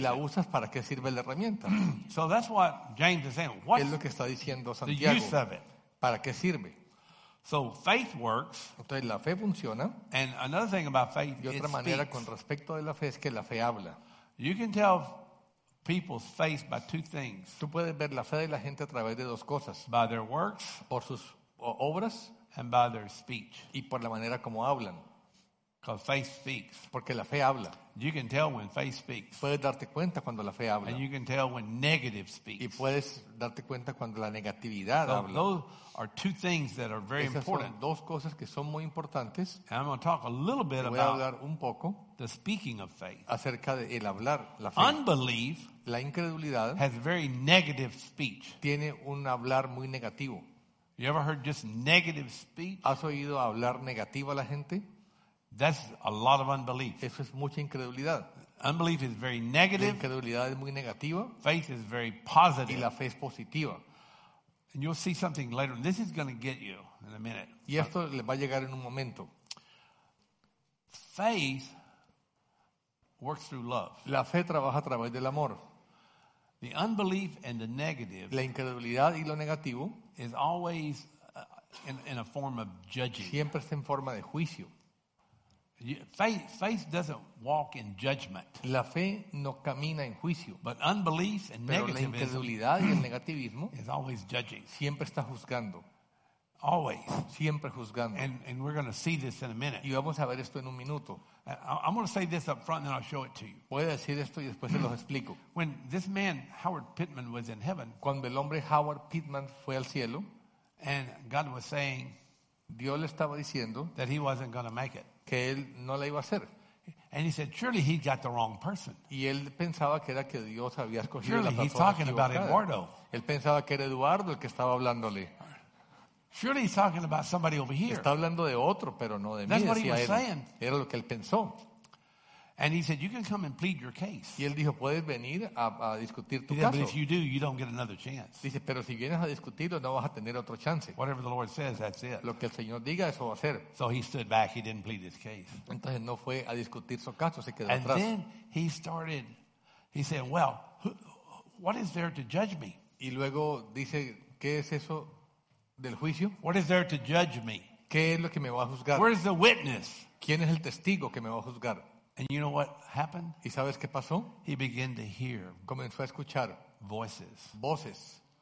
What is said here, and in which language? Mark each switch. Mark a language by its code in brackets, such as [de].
[es] Y la usas, ¿para qué sirve la herramienta? [en] So that's what James is saying. What's [es] es lo que está diciendo Santiago. [en] The use of it. [es] ¿Para qué sirve? [en] So faith works. [es] Entonces la fe funciona. [en] And another thing about faith, [es] y otra manera con respecto de la fe es que la fe habla. [en] You can tell people's faith by two things. [es] Tú puedes ver la fe de la gente a través de dos cosas. [en] By their works, [es] por sus obras, [en] and by their speech. [es] Y por la manera como hablan. [en] Because faith speaks. [es] Porque la fe habla. [en] You can tell when faith speaks. [es] Puedes darte cuenta cuando la fe habla. [en] And you can tell when negative speaks. [es] Y puedes darte cuenta cuando la negatividad [en] so [es] habla. [en] Those are two things that are very [es] esas [en] important. [es] Son dos cosas que son muy importantes. [en] And I'm going to talk a little bit [es] voy [en] about [es] a hablar un poco [en] the speaking of faith. [es] Acerca de el hablar la fe. [en] Unbelief, [es] la incredulidad, [en] has very negative speech. [es] Tiene un hablar muy negativo. [en] You ever heard just negative speech? [es] ¿Has oído hablar negativo a la gente? [en] That's a lot of unbelief. [es] Eso es mucha incredulidad. [en] Unbelief is very negative. [es] La incredulidad es muy negativa. [en] Faith is very positive. [es] Y la fe es positiva. [en] And you'll see something later. This is going to get you in a minute. [es] Y esto le va a llegar en un momento. [en] Faith works through love. [es] La fe trabaja a través del amor. [en] The unbelief and the negative, [es] la incredulidad y lo negativo, [en] is always in a form of judging. [es] Siempre está en forma de juicio. [en] Faith doesn't walk in judgment. [es] La fe no camina en juicio. [en] But unbelief and negativism, [es] pero la incredulidad y el negativismo, [en] is always judging. [es] Siempre está juzgando. [en] Always. [es] Siempre juzgando. [en] And we're going to see this in a minute. [es] Y vamos a ver esto en un minuto. [en] I'm going to say this up front, and then I'll show it to you. [es] Voy a decir esto y después se los explico. [en] When this man Howard Pittman was in heaven, [es] cuando el hombre Howard Pittman fue al cielo, [en] and God was saying, [es] Dios le estaba diciendo [en] that he wasn't going to make it. [es] Que él no la iba a hacer. [en] And he said, surely he got the wrong person. [es] Y él pensaba que era que Dios había escogido [en] surely [es] la persona [en] he's talking [es] equivocada. [en] About Eduardo. [es] Él pensaba que era Eduardo el que estaba hablándole. [en] Surely he's talking about somebody over here. [es] Está hablando de otro, pero no de [en] That's [es] mí, [en] what [es] decía [en] he was [es] él. [en] Saying. [es] Era lo que él pensó. [en] And he said, you can come and plead your case. [es] Y él dijo, puedes venir a discutir tu [en] he [es] caso. [en] Said, but if you do, you don't get another chance. [es] Dice, pero si vienes a discutirlo, no vas a tener otro chance. [en] Whatever the Lord says, that's it. [es] Lo que el Señor diga, eso va a ser. [en] So he stood back, he didn't plead his case. [es] Entonces no fue a discutir su caso, se quedó [en] and [es] atrás. [en] And then he started, he said, well, what is there to judge me? [es] Y luego dice, ¿qué es eso del juicio? [en] What is there to judge me? [es] ¿Qué es lo que me va a juzgar? [en] Where is the witness? [es] ¿Quién es el testigo que me va a juzgar? [en] And you know what happened? [es] ¿Y sabes qué pasó? [en] He began to hear. [es] Comenzó a escuchar [en] voices. [es] Voces.